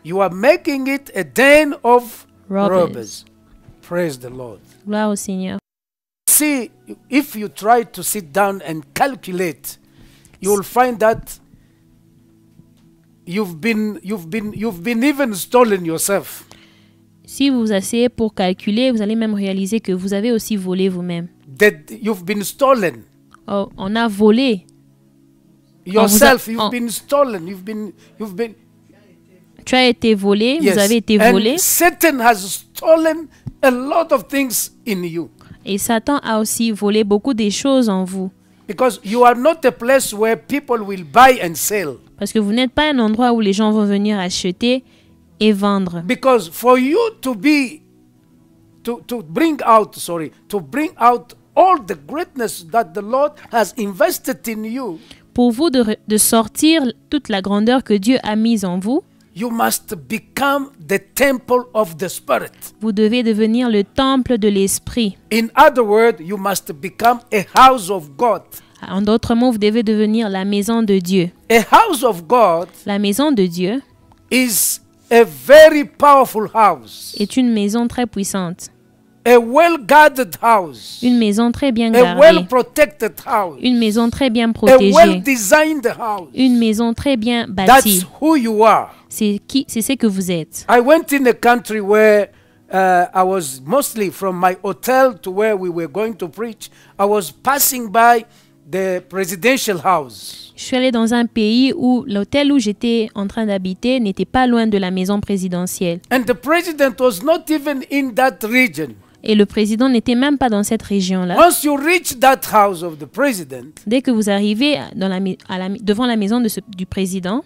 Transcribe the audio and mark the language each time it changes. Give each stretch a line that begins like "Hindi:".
English: You are making it a den of robbers. Praise the Lord.
French: Gloire au Seigneur.
English: See, if you try to sit down and calculate, you will find that you've been even stolen yourself.
French: Si vous vous asseyez pour calculer, vous allez même réaliser que vous avez aussi volé vous-même.
English: That you've been stolen.
French: Oh, on a volé.
English: Yourself, you've been stolen. You've been.
French: Tu as été volé.
English: Yes.
French: Vous avez été
English: and
French: volé.
English: Satan has stolen a lot of things in you.
French: Et Satan a aussi volé beaucoup des choses en vous.
English: Because you are not a place where people will buy and sell.
French: Parce que vous n'êtes pas un endroit où les gens vont venir acheter et vendre.
English: Because for you to bring out all the greatness that the Lord has invested in you.
French: Pour vous de sortir toute la grandeur que Dieu a mise en vous,
English: you must become the temple of the Spirit.
French: Vous devez devenir le temple de l'Esprit.
English: In other words, you must become a house of God.
French: En d'autres mots, vous devez devenir la maison de Dieu.
English: A house of God,
French: la maison de Dieu,
English: is A very powerful house.
French: Est une maison très puissante.
English: A well-guarded house.
French: Une maison très bien gardée.
English: A well-protected house.
French: Une maison très bien protégée.
English: A well-designed house.
French: Une maison très bien bâtie.
English: That's who you are.
French: C'est ce que vous êtes.
English: I went in a country where I was mostly from my hotel to where we were going to preach. I was passing by the presidential house.
French: Je suis allé dans un pays où l'hôtel où j'étais en train d'habiter n'était pas loin de la maison présidentielle.
English: And the president was not even in that region.
French: Et le président n'était même pas dans cette région-là.
English: Once you reach that house of the president,
French: dès que vous arrivez devant la maison du président,